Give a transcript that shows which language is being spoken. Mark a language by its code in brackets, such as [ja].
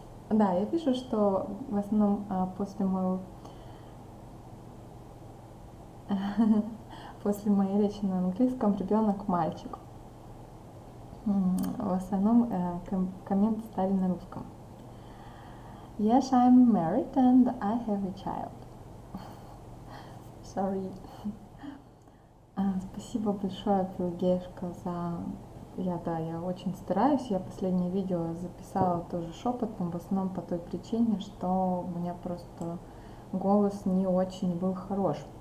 [ru] Да, я вижу, что в основном после моего... после моей речи на английском ребенок мальчик. В основном комменты стали на русском. [en] Yes, I'm married and I have a child. Sorry. [ru] Спасибо большое, Пелагеюшка, за... Я очень стараюсь. Я последнее видео записала тоже шепотом, в основном по той причине, что у меня просто голос не очень был хорош.